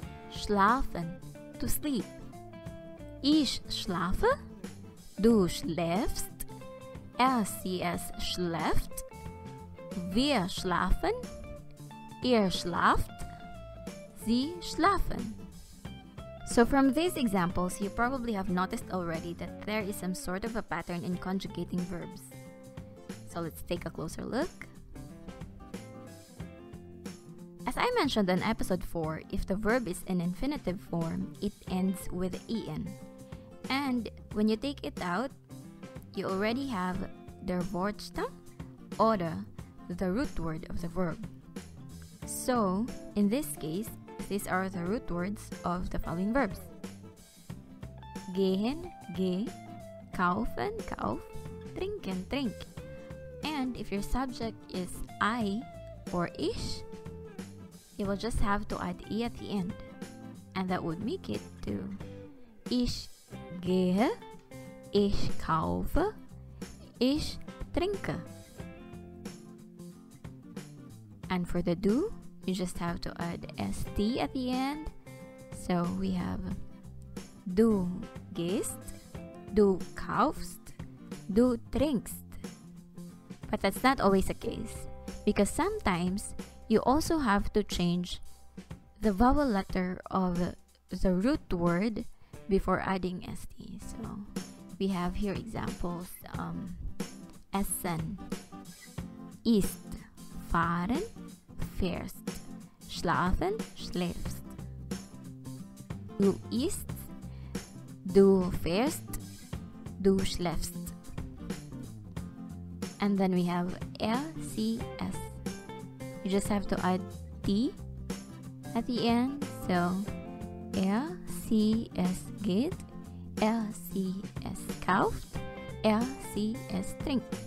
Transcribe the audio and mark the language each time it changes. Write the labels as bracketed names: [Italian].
[German] Schlafen, [English] to sleep. [German] Ich schlafe, du schläfst, sie es schläft, wir schlafen, ihr schlaft, sie schlafen. [English] So from these examples, you probably have noticed already that there is some sort of a pattern in conjugating verbs. So let's take a closer look. As I mentioned in episode 4, if the verb is in infinitive form, it ends with en. And when you take it out, you already have [German] der Wortstamm oder [English] the root word of the verb. So in this case, these are the root words of the following verbs. [German] Gehen, geh, kaufen, kauf, trinken, trink. [English] And if your subject is I or ich, you will just have to add E at the end. And that would make it to [German] ich gehe, ich kaufe, ich trinke. [English] And for the du, you just have to add ST at the end. So we have [German] du gehst, du kaufst, du trinkst. [English] But that's not always the case, because sometimes you also have to change the vowel letter of the root word before adding ST. So we have here examples, [German] essen, ist, fahren, fährst. Schlafen, schläfst. Du isst, du fährst, du schläfst. [English] And then we have [German] sie es. [English] You just have to add T at the end. [German] So sie es geht, sie es kauft, sie es trinkt.